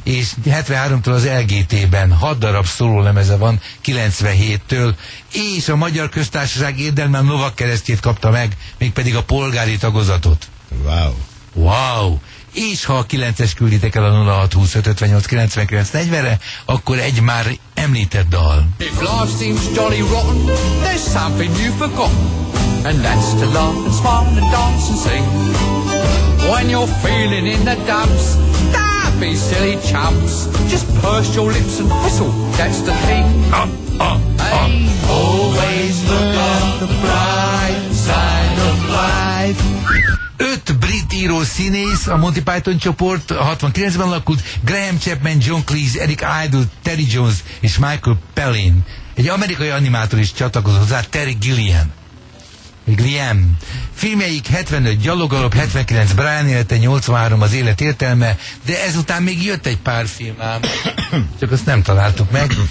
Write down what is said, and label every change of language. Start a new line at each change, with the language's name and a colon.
Hungarian: és 73-tól az LGT-ben 6 darab szólólemeze van 97-től, és a Magyar Köztársaság érdemben a Novak keresztjét kapta meg, mégpedig a polgári tagozatot. Wow. Wow! És ha a 9-es külditek el a 0620-58-99-40-re, akkor egy már említett dal.
English: If life seems jolly rotten, there's something you've forgotten. And that's to laugh and smile and dance and sing. When you're feeling in the dumps, don't be silly chumps. Just purse your lips and whistle, that's the thing. Always look on the bright side of life.
Hungarian: Öt brit író színész, a Monty Python csoport 69-ben alakult, Graham Chapman, John Cleese, Eric Idle, Terry Jones és Michael Palin. Egy amerikai animátor is csatlakozott hozzá, Terry Gilliam. Gilliam. Filmjeik 75 gyaloggalop, 79 Brian élete, 83 az élet értelme, de ezután még jött egy pár film ám, csak azt nem találtuk meg.